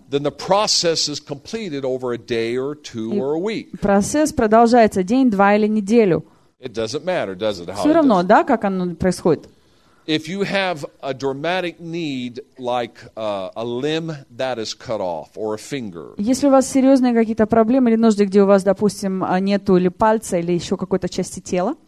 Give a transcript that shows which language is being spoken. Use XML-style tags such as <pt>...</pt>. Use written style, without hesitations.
<en>Then the process is completed over a day or two or a week.</en> <ru>Процесс продолжается день, два или неделю.</ru> <en>It doesn't matter, does it?</en> <ru>Все равно, да, как оно происходит.</ru> <en>If you have a dramatic need like a limb that is cut off or a finger.</en> <ru>Если у вас серьезные какие-то проблемы или нужды, где у вас, допустим, нету или пальца или еще какой-то части тела.</ru>